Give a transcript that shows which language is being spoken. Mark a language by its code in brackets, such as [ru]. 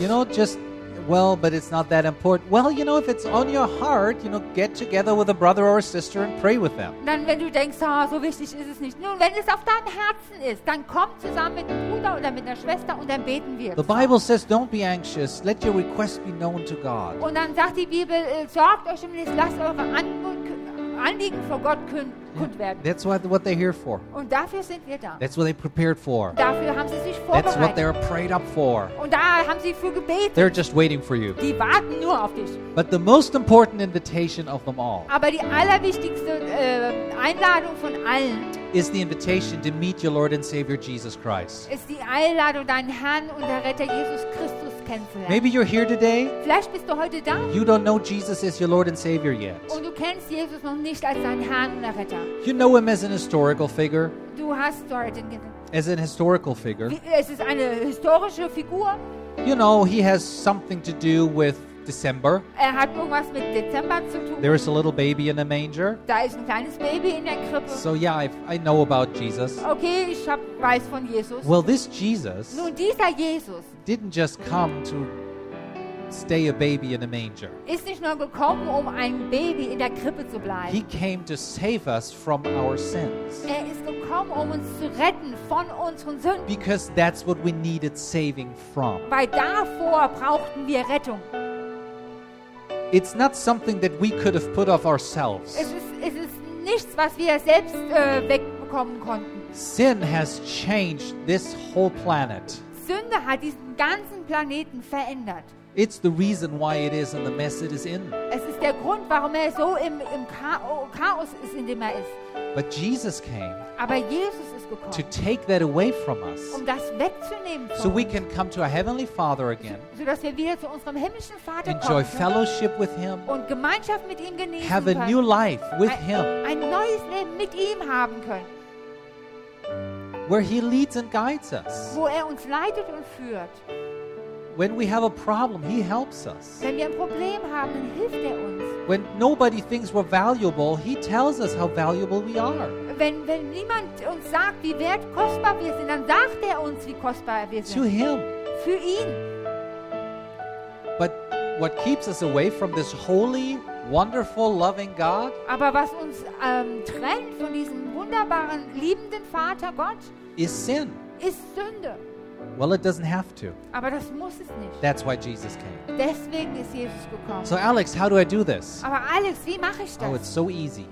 [en] You know, just well, but it's not that important. Well, you know, if it's on your heart, you know, get together with a brother or a sister and pray with them. [de] Dann, wenn du denkst, so wichtig ist es nicht. Nun, wenn es auf deinem Herzen ist, dann komm zusammen mit einem Bruder oder mit einer Schwester und dann beten wir. [en] The Bible says, don't be anxious. Let your requests be known to God. [de] Und dann sagt die Bibel, sorgt euch um nichts, lasst eure Anliegen vor Gott kund werden. [en] That's what they're here for. [de] Und dafür sind wir da. [en] That's what they prepared for. [de] Dafür haben sie sich vorbereitet. [en] That's what they're prayed up for. [de] Und da haben sie für gebetet. [en] They're just waiting for you. [de] Die warten nur auf dich. [en] But the most important invitation of them all. [de] Aber die allerwichtigste Einladung von allen [en] is the invitation to meet your Lord and Savior Jesus Christ. [de] Ist die Einladung deinen Herrn und der Retter Jesus Christus. [en] Maybe you're here today. [de] Vielleicht bist du heute da. [en] You don't know Jesus as your Lord and Savior yet. [de] Und du kennst Jesus noch nicht als deinen Herrn und Retter. [en] You know him as an historical figure. [de] Du hast ihn [en] as an historical figure. [de] Es ist eine historische Figur. [en] You know he has something to do with December. [de] Er hat irgendwas mit Dezember zu tun. [en] There is a little baby in a manger. [de] Da ist ein kleines Baby in der Krippe. [en] So yeah, I know about Jesus. [de] Okay, ich weiß von Jesus. [en] Well, this Jesus. [de] Nun, dieser Jesus. [en] Didn't just come to stay a baby in a manger. [de] Ist nicht nur gekommen, um ein Baby in der Krippe zu bleiben. [en] He came to save us from our sins. [de] Er ist gekommen, um uns zu retten von unseren Sünden. [en] Because that's what we needed saving from. [de] Weil davor brauchten wir Rettung. [en] It's not something that we could have put off ourselves. [de] Es ist nichts, was wir selbst wegbekommen konnten. [en] Sin has changed this whole planet. [de] Sünde hat diesen ganzen Planeten verändert. [en] It's the reason why it is in the mess it is in. [de] Es ist der Grund, warum er so im Chaos ist, in dem er ist. [en] But Jesus came. [de] Aber Jesus ist gekommen. [en] To take that away from us. [de] Um das wegzunehmen von uns. [en] So we can come to our heavenly Father again. [de] So dass wir wieder zu unserem himmlischen Vater kommen. [en] Enjoy fellowship with him. [de] Und Gemeinschaft mit ihm genießen können. [en] Have a new life with him. [de] Ein neues Leben mit ihm haben können. [en] Where he leads and guides us. [de] Wo er uns leitet und führt. [en] When we have a problem, he helps us. [de] Wenn wir ein Problem haben, hilft er uns. [en] When nobody thinks we're valuable, he tells us how valuable we are. [de] Wenn niemand uns sagt, wie wertkostbar wir sind, dann sagt er uns, wie kostbar wir sind. [en] To him. [de] Für ihn. [en] But what keeps us away from this holy, wonderful, loving God? [de] Aber was uns trennt von diesem wunderbaren, liebenden Vater Gott? [en] Is sin. [de] Ist Sünde. [en] Well, it doesn't have to. [de] Aber das muss es nicht. [en] That's why Jesus came. [de] Deswegen ist Jesus gekommen. [en] So Alex, how do I do this? [de] Aber Alex, wie mache ich das? [en] Oh, it's so easy.